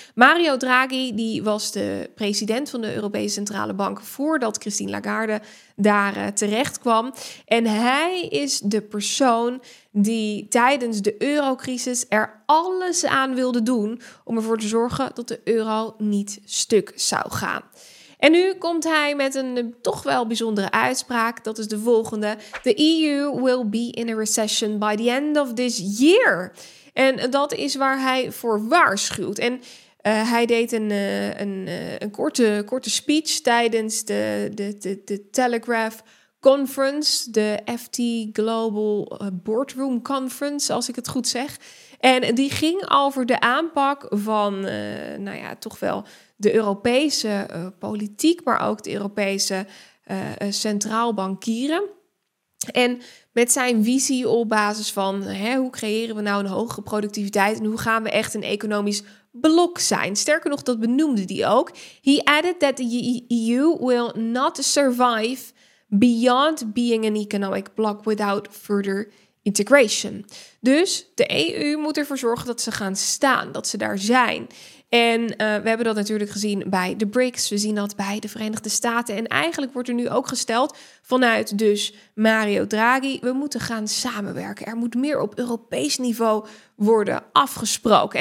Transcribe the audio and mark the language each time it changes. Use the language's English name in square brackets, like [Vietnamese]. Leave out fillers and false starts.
[Dutch] Mario Draghi, die was de president van de Europese Centrale Bank voordat Christine Lagarde daar terecht kwam. En hij is de persoon die tijdens de eurocrisis er alles aan wilde doen om ervoor te zorgen dat de euro niet stuk zou gaan. En nu komt hij met een toch wel bijzondere uitspraak. Dat is de volgende. [English] The EU will be in a recession by the end of this year. [Dutch] En dat is waar hij voor waarschuwt. En hij deed een korte speech tijdens de Telegraph Conference. De FT Global Boardroom Conference, als ik het goed zeg. En die ging over de aanpak van, toch wel de Europese politiek, maar ook de Europese centraalbankieren. En met zijn visie op basis van, hoe creëren we nou een hogere productiviteit en hoe gaan we echt een economisch blok zijn? Sterker nog, dat benoemde die ook. [English] He added that the EU will not survive beyond being an economic block without further integration. [Dutch] Dus de EU moet ervoor zorgen dat ze gaan staan, dat ze daar zijn. En we hebben dat natuurlijk gezien bij de BRICS, we zien dat bij de Verenigde Staten. En eigenlijk wordt er nu ook gesteld vanuit dus Mario Draghi, we moeten gaan samenwerken. Er moet meer op Europees niveau worden afgesproken.